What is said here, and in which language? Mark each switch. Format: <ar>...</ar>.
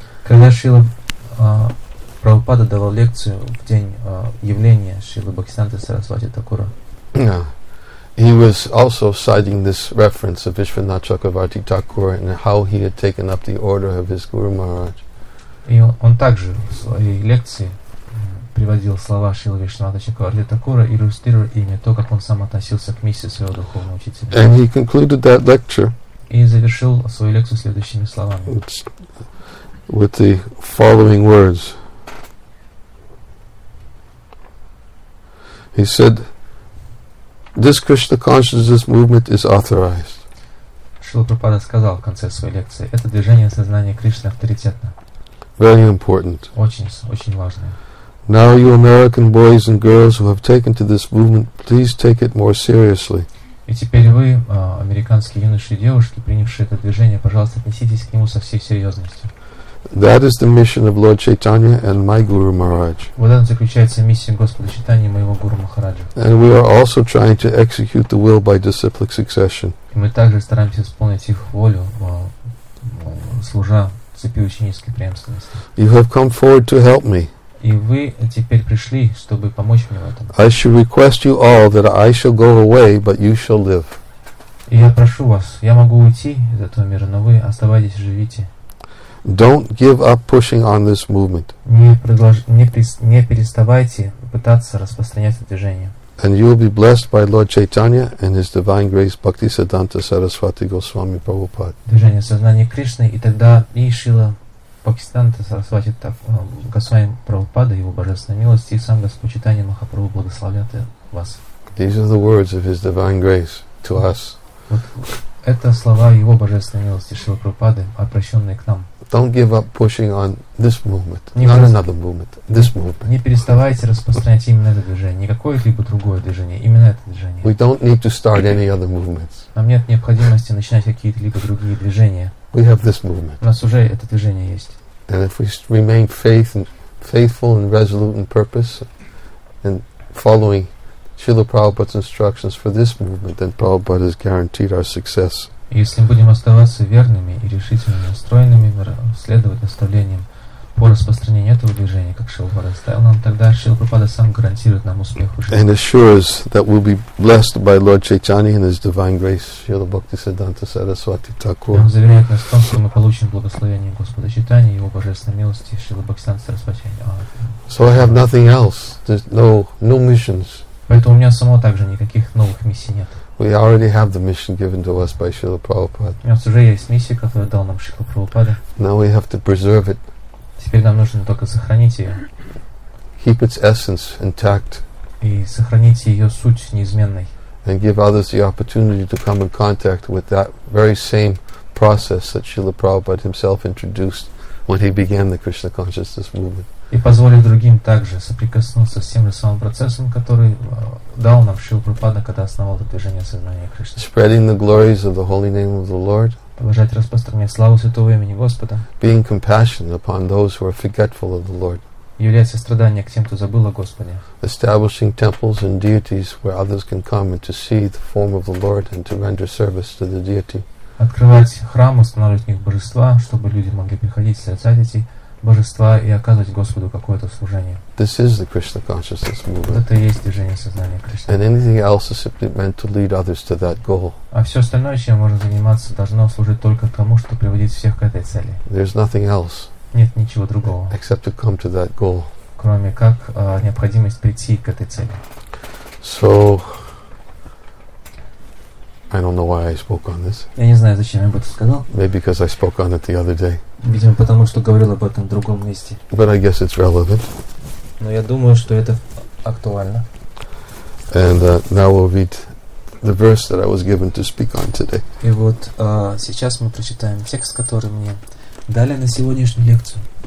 <ru>Когда Шрила Прабхупада давал лекцию в день явления Шрилы Бхактисиддханты Сарасвати Такура.</ru> <en>He was also citing this reference of Vishwanath Chakravarti Thakur and how he had taken up the order of his Guru Maharaj.</en> <ru>И он также в своей лекции приводил слова Шрилы Вишнавата Чакраварти Такура и иллюстрировал ими то, как он сам относился к миссии своего духовного учителя.</ru> <en>And he concluded that lecture.</en> <ru>И завершил свою лекцию следующими словами.</ru> <en>With the following words. He said, this Krishna consciousness movement is authorized.</en> <ru>Шрила Прабхупада сказал в конце своей лекции, это движение сознания Кришны авторитетно.</ru> <en>Very important.</en> <ru>Очень, очень важное.</ru> <en>Now you American boys and girls who have taken to this movement, please take it more seriously.</en> <ru>И теперь вы, американские юноши и девушки, принявшие это движение, пожалуйста, отнеситесь к нему со всей серьезностью.</ru> <en>That is the mission of Lord Chaitanya and my Guru Maharaj.</en> <ru>Вот она заключается миссия Господа Чайтаньи моего Гуру Махараджа.</ru> <en>And we are also trying to execute the will by disciplic succession.</en> <ru>И мы также стараемся исполнить их волю, служа цепи ученической преемственности.</ru> <en>You have come forward to help me.</en> <ru>И вы теперь пришли, чтобы помочь мне в этом.</ru> <en>I shall request you all that I shall go away, but you shall live.</en> <ru>И я прошу вас, я могу уйти из этого мира, но вы оставайтесь, живите.</ru> <en>Don't give up pushing on this movement.</en> <ru>Не переставайте пытаться распространять движение.</ru> <en>And you will be blessed by Lord Chaitanya and His Divine Grace Bhaktisiddhanta Saraswati Goswami Prabhupada.</en> <ru>Движение сознания Кришны, и тогда и Шрила Бхактисиддханта Сарасвати Госвами Прабхупада, Его Божественной милости, и сам Господь Чайтанья Махапрабху благословляет вас.</ru> <en>These are the words of His Divine Grace to us.</en> <ru>Это слова Его Божественной милости Шрила Прабхупады, обращенные к нам.</ru> <en>Don't give up pushing on this movement, not another movement, this movement.</en> <ru>Не переставайте распространять именно это движение, не какое-либо другое движение, именно это движение.</ru> <en>We don't need to start any other movements.</en> <ru>Нам нет необходимости начинать какие-либо другие движения.</ru> <en>We have this movement.</en> <ru>У нас уже это движение есть.</ru> <en>And if we remain faithful and resolute in purpose and following Srila Prabhupada's instructions for this movement, then Prabhupada has guaranteed our success.</en> <ru>Если мы будем оставаться верными и решительно настроенными следовать наставлениям по распространению этого движения, как Шрила Прабхупада оставил нам, тогда Шрила Прабхупада сам гарантирует нам успех в жизни.</ru> <en>And assures that we'll be blessed by Lord Chaitanya and His Divine Grace, Srila Bhaktisiddhanta Saraswati Thakur.</en> <ru>Он заверяет нас в том, что мы получим благословение Господа Чайтаньи и Его Божественной милости, Шрила Бхактисиддханта Сарасвати.</ru> <en>So I have nothing else. There's no missions.</en> <ru>Поэтому у меня самого также никаких новых миссий нет.</ru> <en>We already have the mission given to us by Srila Prabhupada.</en> <ru>У нас уже есть миссия, которую дал нам Шрила Прабхупада.</ru> <en>Now we have to preserve it.</en> <ru>Теперь нам нужно только сохранить ее.</ru> <en>Keep its essence intact.</en> <ru>И сохранить ее суть неизменной.</ru> <en>And give others the opportunity to come in contact with that very same process that Srila Prabhupada himself introduced when he began the Krishna consciousness movement.</en> <ru>И позволить другим также соприкоснуться с тем же самым процессом, который дал нам Шрила Прабхупада, когда основал это движение сознания Кришны.</ru> <en>Spreading the glories of the holy name of the Lord.</en> <ru>Продолжать распространять славу святого имени Господа.</ru> <en>Being compassionate upon those who are forgetful of the Lord.</en> <ru>Являть сострадание к тем, кто забыл о Господе.</ru> <en>Establishing temples and deities where others can come and to see the form of the Lord and to render service to the deity.</en> <ru>Открывать храм, устанавливать в них божества, чтобы люди могли приходить, созерцать эти божества и оказывать Господу какое-то служение.</ru> <en>This is the Krishna consciousness movement.</en> <ru>Это и есть движение сознания Кришны.</ru> <en>And anything else is simply meant to lead others to that goal.</en> <ru>А все остальное, чем можно заниматься, должно служить только тому, что приводит всех к этой цели.</ru> <en>There's nothing else.</en> <ru>Нет ничего другого.</ru> <en>Except to come to that goal.</en> <ru>Кроме как необходимость прийти к этой цели.</ru> <en>So, I don't know why I spoke on this.</en> <ru>Я не знаю, зачем я об этом сказал.</ru> <en>Maybe because I spoke on it the other day.</en> <ru>Видимо, потому что говорил об этом в другом месте.</ru> <en>But I guess it's relevant.</en> <ru>Но я думаю, что это актуально.</ru> <en>And now we'll read the verse that I was given to speak on today.</en> <ru>И вот сейчас мы прочитаем текст, который мне дали на сегодняшнюю лекцию.</ru>